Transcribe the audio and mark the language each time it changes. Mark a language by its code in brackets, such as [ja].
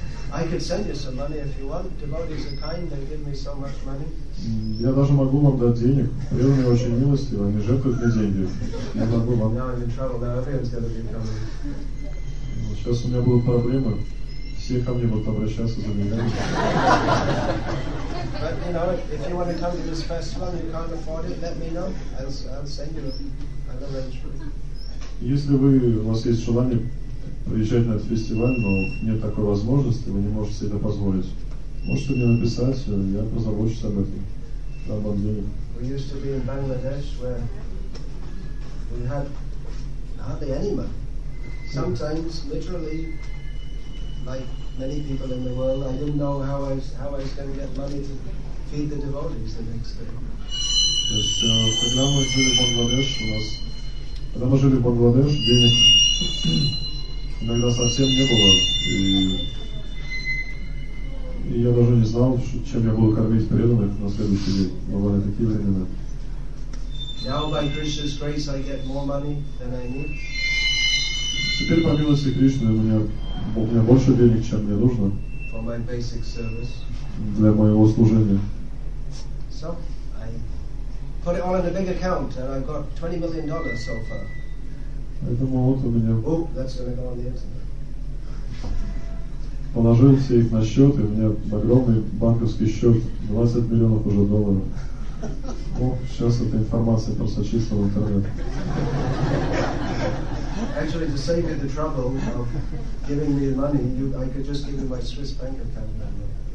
[en] I could send you some money if you want. Devotees are kind, they give me so much money. [ru] Я даже могу вам дать денег. Преданные очень милостивы, они жертвуют мне деньги. Я могу вам. [en] Now I'm in trouble, now everyone's gonna be coming. [ru] Ну, сейчас у меня будут проблемы. Все ко мне будут обращаться за меня. [en] But if you want to come to this festival and you can't afford it, let me know. I'll send you an arrangement. [ru] Если вы, у вас есть желание приезжать на этот фестиваль, но нет такой возможности, вы не можете себе это позволить, можете мне написать, я позабочусь об этом. Дам вам денег. [en] We used to be in Bangladesh, where we had hardly any money. Sometimes, literally, like many people in the world, I didn't know how I was going to get money to feed the devotees the next day. [ru] То есть, когда мы жили в Бангладеш, у нас когда мы жили в Бангладеш, денег иногда совсем не было, и я даже не знал, чем я буду кормить преданных на следующий день. Бывали такие времена. [en] Now by Krishna's grace I get more money than I need. [ru] Теперь по милости Кришны у меня больше денег, чем мне нужно. [en] For my basic service. [ru] Для моего служения. [en] So I put it all in a big account and I've got $20 million so far. [ru] Поэтому вот у меня. [en] Oh, that's gonna go on the internet. [ru] Положил все их на счет, и у меня огромный банковский счет, $20 million уже долларов. О, сейчас эта информация просочится в интернет. [en] Actually, to save you the trouble of giving me money, I could just give you my Swiss bank account number.